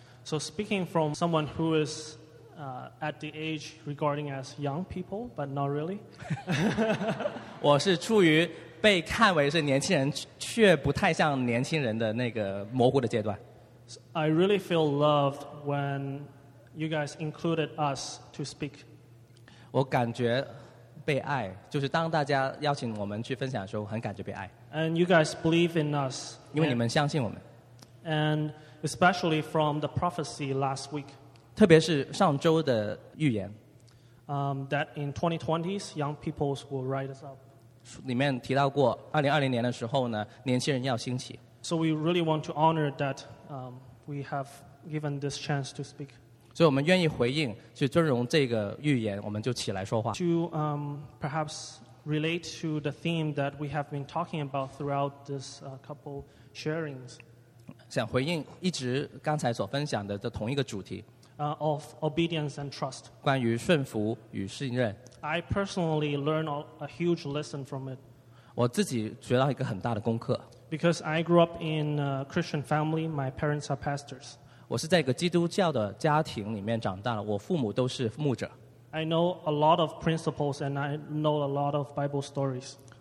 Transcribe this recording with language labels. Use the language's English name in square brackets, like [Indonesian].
[English] So speaking from someone who is at the age regarding as young people, but not really. [Chinese] 我是处于被看为是年轻人，却不太像年轻人的那个模糊的阶段。 [English] I really feel loved when you guys included us to speak. [Chinese] 我感觉 被爱，就是当大家邀请我们去分享的时候，很感觉被爱。 [English] And you guys believe in us. [Chinese] 因为你们相信我们。 [English] And especially from the prophecy last week. [Chinese] 特别是上周的预言。 [English] That in 2020s, young peoples will rise up. [Chinese] 里面提到过，2020年的时候呢，年轻人要兴起。 [English] So we really want to honor that we have given this chance to speak. [Chinese] 所以我们愿意回应，去尊荣这个预言，我们就起来说话。 [English] To perhaps relate to the theme that we have been talking about throughout this couple sharings. [Chinese] 想回应一直刚才所分享的同一个主题。 [English] Of obedience and trust. [Chinese] 关于顺服与信任。 [English] I personally learned a huge lesson from it. [Chinese] 我自己学到一个很大的功课。 [English] Because I grew up in a Christian family, my parents are pastors. [Chinese] 我是在一个基督教的家庭里面长大了，我父母都是牧者。 [English] I know a lot of principles and I know a lot of Bible stories.